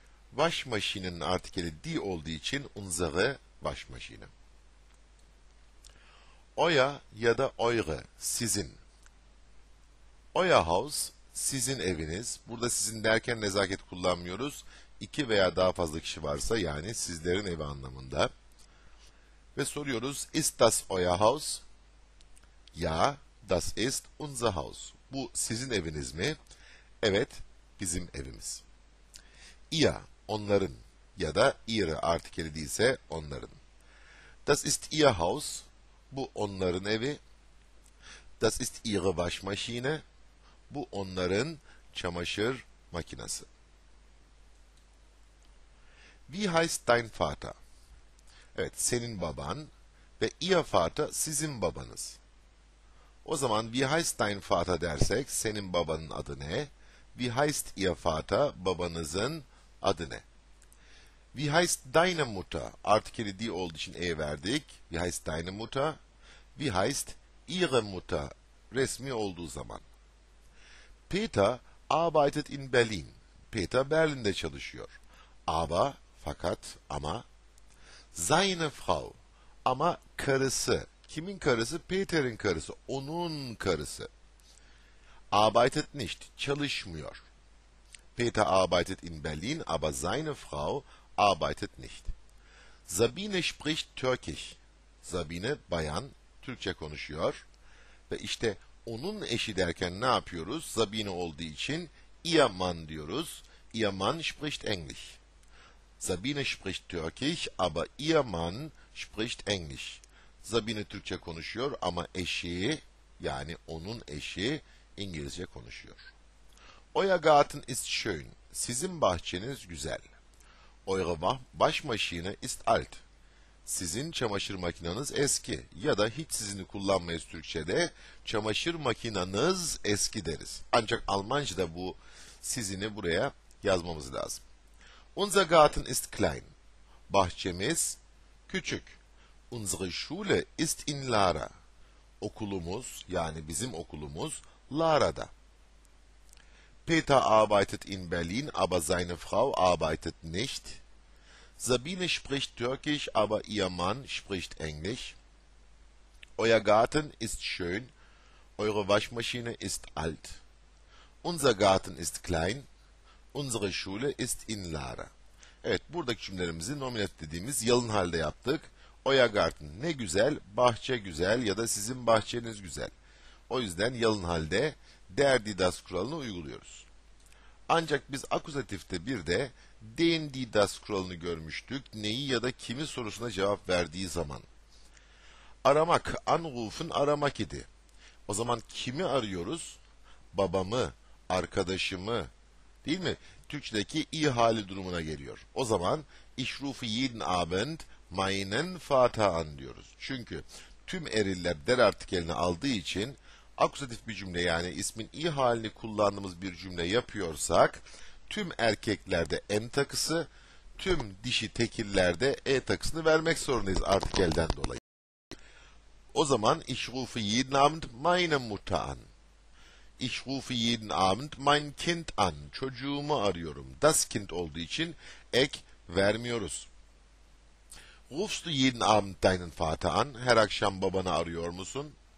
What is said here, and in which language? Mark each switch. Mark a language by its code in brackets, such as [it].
[tr] Waschmaschine'nin artikeli die olduğu için [de] unsere Waschmaschine. [tr] Euer ya da eure, sizin. [de] Euer Haus, [tr] sizin eviniz. Burada sizin derken nezaket kullanmıyoruz. İki veya daha fazla kişi varsa, yani sizlerin evi anlamında. Ve soruyoruz, [de] ist das euer Haus? Ja, das ist unser Haus. [tr] Bu sizin eviniz mi? Evet, bizim evimiz. Ihr, onların. Ya da ihre artikeli değilse onların. [de] Das ist ihr Haus. [tr] Bu onların evi. [de] Das ist ihre Waschmaschine. [tr] Bu onların çamaşır makinesi. [de] Wie heißt dein Vater? [tr] Evet, senin baban ve [de] ihr Vater [tr] sizin babanız. O zaman [de] wie heißt dein Vater [tr] dersek senin babanın adı ne? [de] Wie heißt ihr Vater [tr] babanızın adı ne? [de] Wie heißt deine Mutter? [tr] Artikeli die olduğu için e verdik. [de] Wie heißt deine Mutter? Wie heißt ihre Mutter? [tr] Resmi olduğu zaman. [de] Peter arbeitet in Berlin. [tr] Peter Berlin'de çalışıyor. Aber, fakat, ama. [de] Seine Frau, [tr] ama karısı. Kimin karısı? Peter'in karısı. Onun karısı. [de] Arbeitet nicht, [tr] çalışmıyor. [de] Peter arbeitet in Berlin, aber seine Frau arbeitet nicht. Sabine spricht Türkisch. [tr] Sabine, bayan, Türkçe konuşuyor. Ve işte onun eşi derken ne yapıyoruz? Sabine olduğu için [de] ihr Mann [tr] diyoruz. [de] Ihr Mann spricht Englisch. Sabine spricht Türkisch, aber ihr Mann spricht Englisch. [tr] Sabine Türkçe konuşuyor ama eşi, yani onun eşi İngilizce konuşuyor. [de] Euer Garten ist schön. [tr] Sizin bahçeniz güzel. [de] Eure Waschmaschine ist alt. [tr] Sizin çamaşır makinanız eski. Ya da hiç sizini kullanmayız Türkçe'de. Çamaşır makinanız eski deriz. Ancak Almanca'da bu sizini buraya yazmamız lazım. [de] Unser Garten ist klein. [tr] Bahçemiz küçük. [de] Unsere Schule ist in Lara. [tr] Okulumuz, yani bizim okulumuz Lara'da. [de] Peter arbeitet in Berlin, aber seine Frau arbeitet nicht. Sabine spricht Türkisch, aber ihr Mann spricht Englisch. Euer Garten ist schön, eure Waschmaschine ist alt. Unser Garten ist klein, unsere Schule ist in Lara. [tr] Evet, buradaki cümlelerimizi nominat dediğimiz yalın halde yaptık. [de] Euer Garten, [tr] ne güzel, bahçe güzel ya da sizin bahçeniz güzel. O yüzden yalın halde der, die, das kuralını uyguluyoruz. Ancak biz akuzatifte bir de den, die, das kuralını görmüştük. Neyi ya da kimi sorusuna cevap verdiği zaman. Aramak, anrufen aramak idi. O zaman kimi arıyoruz? Babamı, arkadaşımı, değil mi? Türkçedeki iyi hali durumuna geliyor. O zaman [de] ich rufe jeden Abend meinen Vater an [tr] diyoruz. Çünkü tüm eriller der artikelini aldığı için akuzatif bir cümle, yani ismin i halini kullandığımız bir cümle yapıyorsak tüm erkeklerde em takısı, tüm dişi tekillerde e takısını vermek zorundayız artikelden dolayı. [de] O zaman ich rufe jeden Abend meine Mutter an. Ich rufe jeden Abend mein Kind an. [tr] Çocuğumu arıyorum. Das Kind olduğu için ek vermiyoruz. [de] Rufst du jeden Abend deinen Vater an? [tr] Her akşam babanı arıyor musun?